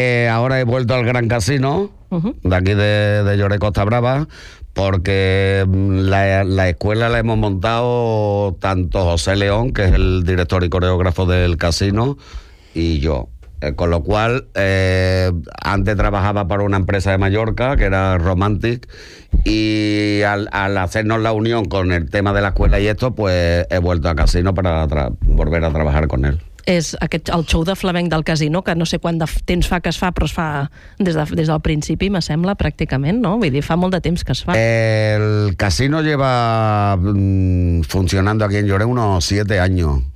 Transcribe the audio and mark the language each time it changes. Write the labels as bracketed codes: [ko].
[es] Ahora he vuelto al Gran Casino, d'aquí de Lloret Costa Brava, porque la escuela la hemos montado tanto José León, que es el director y coreógrafo del casino, y yo. Con lo cual, antes trabajaba para una empresa de Mallorca, que era Romantic, y al hacernos la unión con el tema de la escuela y esto, pues he vuelto a Casino para volver a trabajar con él. [ca] és aquest, el show de flamenc del casino, que no sé quant de temps fa que es fa, però es fa des del principi, me sembla, pràcticament, no? Vull dir, fa molt de temps que es fa. [es] El casino lleva funcionando aquí en Lloret unos 7 años.